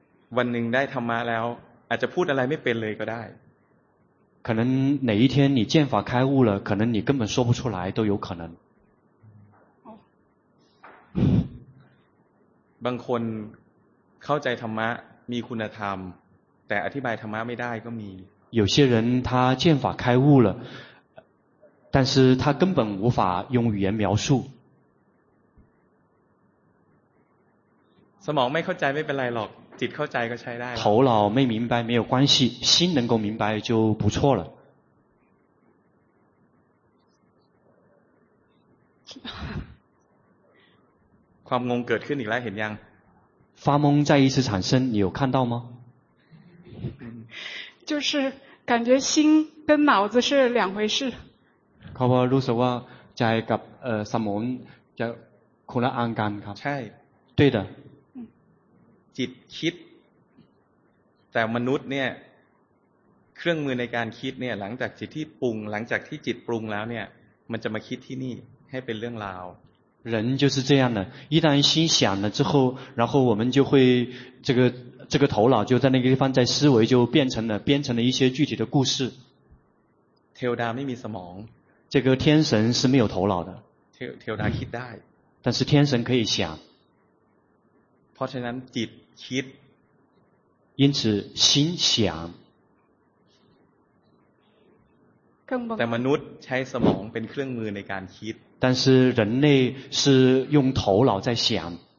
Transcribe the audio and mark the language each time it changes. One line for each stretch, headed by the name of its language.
Thai: วันหนึ่งได้ธรรมะแล้วอาจจะพูดอะไรไม่เป็นเลยก็ได้
Chinese: 可能哪一天你见法开悟了可能你根本说不出来都有可能
Thai: บางคนเข้าใจธรรมะมีคุณธรรมแต่อธิบายธรรมะไม่ได้ก็มี
Chinese: 有些人他见法开悟了但是他根本无法用语言描述
Thai: สมองไม่เข้าใจไม่เป็นไรหรอกจิตเข้าใจก็ใช้ได้
Chinese: 头脑
Thai: ไม่
Chinese: 明白没有关系心能够明白就不错了
Thai: ความงงเกิดขึ้นอีกแล้วเห็นยัง
Chinese: 发懵再一次产生你有看到吗就是感觉心跟脑子是两回事
Thai: เขาบอกรู้สึกว่าใจกับสมองจะคนละอันกันครับ ใช่
Chinese: 对的
Thai: จิตคิดแต่มนุษย์เนี่ยเครื่องมือในการคิดเนี่ยหลังจากจิตที่ปรุงหลังจากที่จิตปรุงแล้วเนี่ยมันจะมาคิดที่นี่ให้เป็นเรื่องราว
Chinese: 人就是这样的，一旦心想了之后，然后我们就会这个头脑就在那个地方，在思维就编成了一些具体的故事。
Thai: เทวดาไม่มีสมอง
Chinese: 这个天神是没有头脑的。
Thai: เทวดาคิดได้
Chinese: 但是天神可以想。
Thai: เพราะฉะนั้นจิตคิด
Chinese: 因此心想。
Thai: แต่มนุษย์ใช้สมองเป็นเครื่องมือในการคิด
Chinese: 但是人类是用头脑在想。